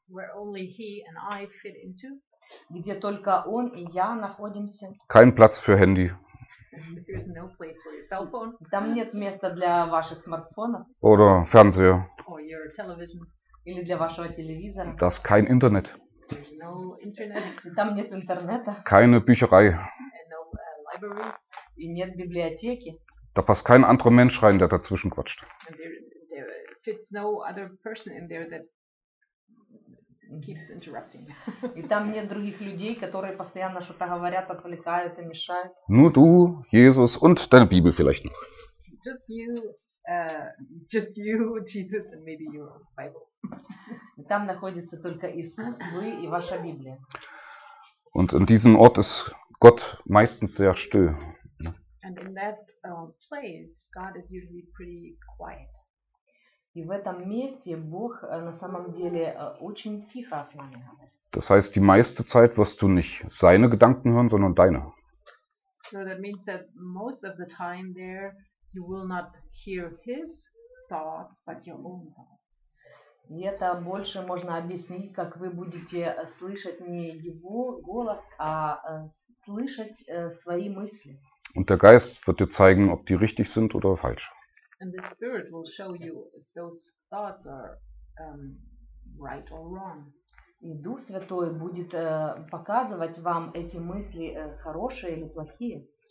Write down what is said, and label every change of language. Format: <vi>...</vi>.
<en>Where only he and I fit into.</en> <ru>Где только он и я находимся.</ru> <de>Kein Platz für Handy.</de> <en>There's no place for your cell phone.</en> <ru>Там нет места для ваших смартфонов.</ru> <de>Oder Fernseher.</de> <en>Or your television.</en> <ru>Или для вашего телевизора.</ru> <de>Das ist kein Internet.</de> <en>There's no Internet.</en> <ru>Там нет интернета.</ru> <de>Keine Bücherei.</de> <en>And no library.</en> <ru>И нет библиотеки.</ru> <de>Da passt kein anderer Mensch rein, der dazwischen quatscht.</de> <en>And there fits no other person in there that keeps interrupting.</en> <ru>И там нет других людей, которые постоянно что-то говорят, отвлекают и мешают.</ru> <de>Nur du, Jesus und deine Bibel vielleicht noch.</de> <en>Just you, Jesus and maybe your Bible.</en> <ru>Там находится только Иисус, вы и ваша Библия.</ru> <de>Und in diesem Ort ist Gott meistens sehr still.</de> <en>And in that place, God is usually pretty quiet.</en> <ru>И в этом месте Бог на самом деле очень тихо с нами.</ru> <de>Das heißt, die meiste Zeit wirst du nicht seine Gedanken hören, sondern deine.</de> <en>So that means that most of the time there you will not hear his thoughts, but your own thoughts.</en> <ru>И это больше можно объяснить, как вы будете слышать не его голос, а слышать свои мысли.</ru> <de>Und der Geist wird dir zeigen, ob die richtig sind oder falsch.</de> <en>And the Spirit will show you if those thoughts are right or wrong.</en> <ru>И Дух Святой будет показывать вам эти мысли хорошие или плохие.</ru>